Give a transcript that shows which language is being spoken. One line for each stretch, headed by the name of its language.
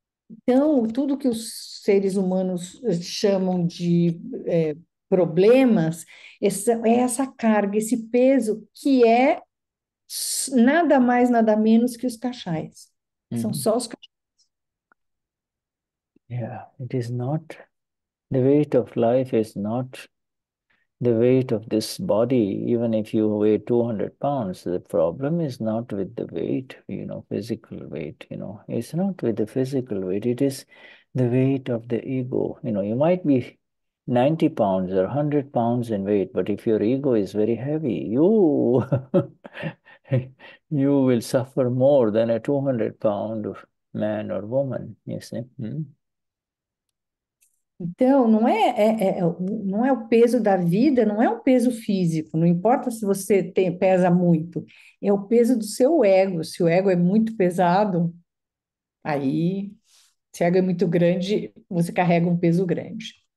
Portuguese: Então, tudo que os seres humanos chamam de problemas, essa carga, esse peso, que é nada mais, nada menos que os cachais. São só os cachais.
English: It is not the weight of life, is not the weight of this body. Even if you weigh 200 pounds, the problem is not with the weight, physical weight, it's not with the physical weight, it is the weight of the ego. You might be 90 pounds or 100 pounds in weight, but if your ego is very heavy, you you will suffer more than a 200 pound man or woman, you see? Hmm?
Portuguese: Então, não é o peso da vida, não é o peso físico, não importa se você pesa muito, é o peso do seu ego. Se o ego é muito pesado, aí, se o ego é muito grande, você carrega um peso grande.